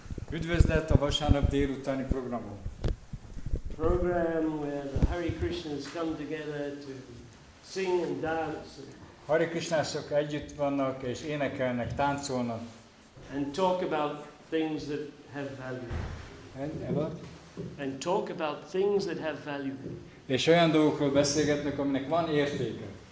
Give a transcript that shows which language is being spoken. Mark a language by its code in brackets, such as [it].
[hu] Üdvözlet a vasárnap délutáni programon. [en] Program where the Hare Krishnas come together to sing and dance. [hu] Hare Krishnások együtt vannak és énekelnek, táncolnak. [en] And talk about things that have value. And talk about things that have value. [hu] És olyan dolgokról beszélgetnek, aminek van értéke.